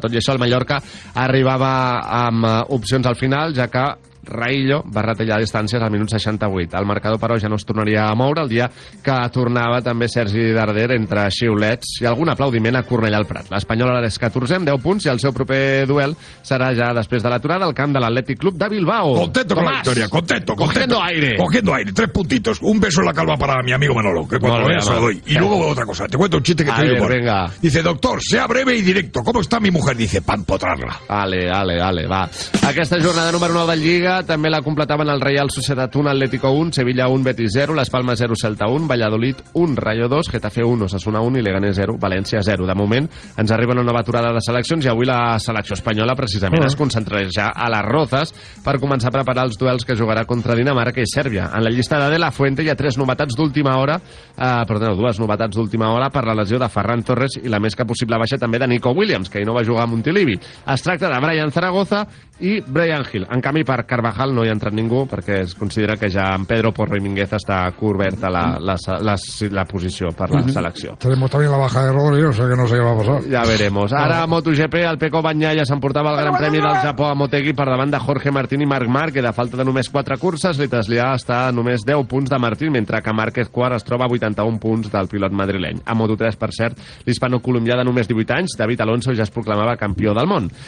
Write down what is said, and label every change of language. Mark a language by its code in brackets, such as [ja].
[ca] Tot i això, el Mallorca arribava amb opcions al final, ja que Raillo va retallar distàncies al minut 68. El marcador, però, ja no es tornaria a moure el dia que tornava també Sergi Darder entre xiulets i algun aplaudiment a Cornellà al Prat. L'Espanyol ara és 14 amb 10 punts i el seu proper duel serà ja després de l'aturada al camp de l'Atlètic Club de Bilbao. [es] Contento con la victoria, contento. Cogiendo aire, tres puntitos, un beso en la calva para mi amigo Manolo, que cuando vea se lo doy. Y luego otra cosa, te cuento un chiste que te digo. Venga. Dice, doctor, sea breve y directo, ¿cómo está mi mujer? Dice, pa empotrarla. [ca] Ale, va. Aquesta jornada número 9 de Lliga també la completaven el Real Societat 1, Atlético 1, Sevilla 1, Betis 0, Las Palmas 0, Celta 1, Valladolid 1, Rayo 2, Getafe 1, Osasuna 1 i Leganés 0, València 0. De moment ens arriba una nova aturada de seleccions i avui la selecció espanyola precisament es concentrarà ja a les Roses per començar a preparar els duels que jugarà contra Dinamarca i Sèrbia. En la llista de la Fuente hi ha dues novetats d'última hora per la lesió de Ferran Torres i la més que possible baixa també de Nico Williams, que ahir no va jugar a Montilivi. Es tracta de Brian Zaragoza i Brian Hill. En canvi, per Carvajal no hi ha entrat ningú perquè es considera que ja en Pedro Porro i Mínguez està coberta la posició per la selecció. [es] Tenemos también la baja de Rodri, o sea que no sé [ca] què va passar. [es] Ja veremos. [ca] Ara a MotoGP, el Pecco Bagnaia s'emportava el Gran Premi del Japó a Motegi per davant de Jorge Martín i Marc Márquez. A falta de només 4 curses, l'Italià està a només 10 punts de Martín, mentre que Márquez quart es troba a 81 punts del pilot madrileny. A Moto3, per cert, l'hispano-colombià de només 18 anys, David Alonso, ja es proclamava campió del món.